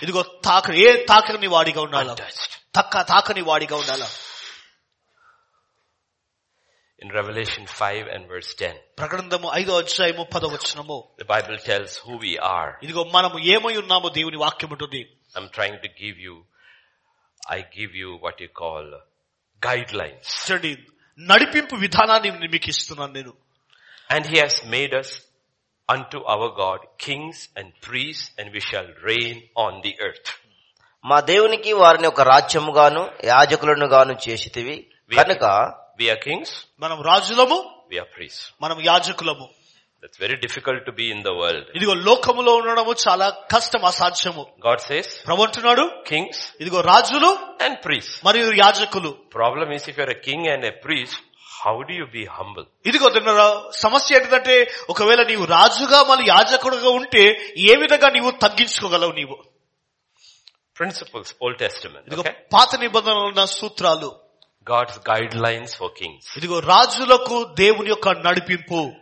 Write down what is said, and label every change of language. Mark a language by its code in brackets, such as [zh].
[te] ఇదిగో తాక ఏ తాకని వాడిగా ఉండాలి, తాకని వాడిగా ఉండాలి. [en] In Revelation 5 and verse 10, [te] ప్రకటనము 5వ అధ్యాయము 10వ వచనము, [en] the Bible tells who we are. [te] ఇదిగో మనము ఏమై ఉన్నామో దేవుని వాక్యం ఉంటుంది. [en] I'm trying to give you, I give you what you call guidelines. [te] చూడండి, నడిపింపు విధానాన్ని మీకు ఇస్తున్నాను నేను. [en] And he has made us unto our God kings and priests, and we shall reign on the earth. [te] మా దేవునికి వారిని ఒక రాజ్యముగాను యాజకులనుగాను చేసితివి కనుక. [en] We are kings. [te] మనం రాజులము. [en] We are priests. [te] మనం యాజకులము. [en] That's very difficult to be in the world. [te] ఇదిగో లోకములో ఉండడము చాలా కష్టం, అసాధ్యము. [en] God says. [te] ప్రభు అంటున్నాడు. [en] Kings. [te] ఇదిగో రాజులు. [en] And priests. [te] మరియు యాజకులు. [en] Problem is if you are a king and a priest, how do you be humble? [te] ఇదిగో తిన్నరా సమస్య ఏంటంటే ఒకవేళ నీవు రాజుగా మళ్ళీ యాజకుడుగా ఉంటే ఏ విధంగా నీవు తగ్గించుకోగలవు నీవు? [en] Principles, Old Testament. [te] ఇదిగో పాత నిబంధనలో ఉన్న సూత్రాలు. [en] God's guidelines for kings. [te] Idigo rajulaku devuni yokka nadipimpu.